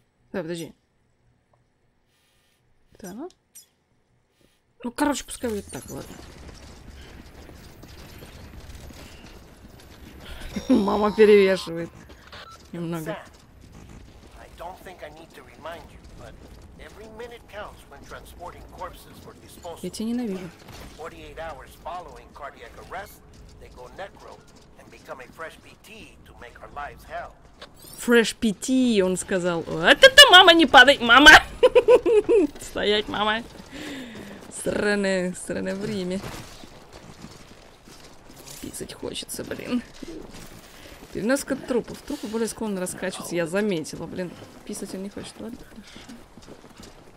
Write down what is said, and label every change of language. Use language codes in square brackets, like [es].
[ru] Да, подожди. Да, ну? Ну, короче, пускай будет так, ладно. Мама перевешивает немного. [en] I don't think I need to remind you, but every minute counts when transporting corpses for disposal. [ru] Я тебя ненавижу. [en] 48 hours following cardiac arrest, they go necro and become a fresh BT to make our lives hell. Fresh PT, [ru] он сказал. Вот это мама, не падай, мама! Стоять, мама! Сраное, сраное время. Писать хочется, блин. 90 трупов. Трупы более склонны раскачиваться, я заметила, блин. Писать он не хочет, ладно, хорошо.